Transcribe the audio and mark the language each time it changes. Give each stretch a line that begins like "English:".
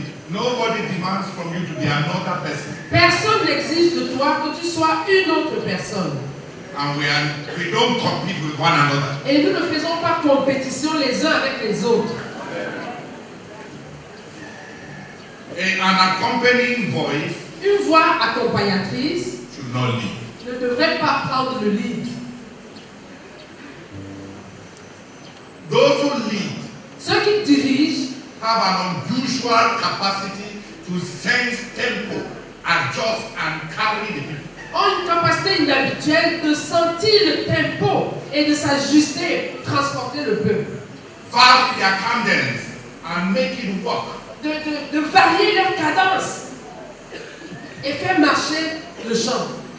English: Nobody demands from you to be another person.
French: Personne n'exige de toi que tu sois une autre personne.
English: And we don't compete with one another.
French: Et nous ne faisons pas compétition les uns avec les autres.
English: An accompanying voice,
French: une voix accompagnatrice,
English: should not lead.
French: Ne devrait pas prendre le lead.
English: Those who lead,
French: ceux qui dirigent,
English: have an unusual capacity to sense tempo, adjust and carry the people.
French: Ont une capacité inhabituelle de sentir le tempo et de s'ajuster, transporter le peuple.
English: Vary their cadence and make it work.
French: De varier leur cadence et faire marcher le chant.